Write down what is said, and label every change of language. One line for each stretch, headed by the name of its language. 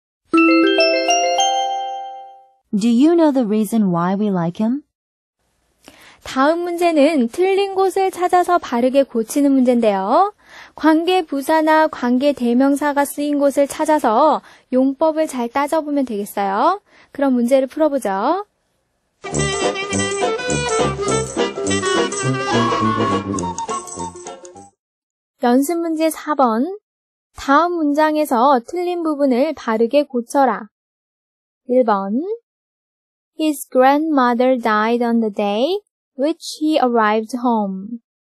English: Do you know the reason why we like him?
Korean: 다음 문제는 틀린 곳을 찾아서 바르게 고치는 문제인데요. 관계 부사나 관계 대명사가 쓰인 곳을 찾아서 용법을 잘 따져보면 되겠어요. 그럼 문제를 풀어보죠. 연습 문제 4번. 다음 문장에서 틀린 부분을 바르게 고쳐라. 1번.
English: His grandmother died on the day which he arrived home.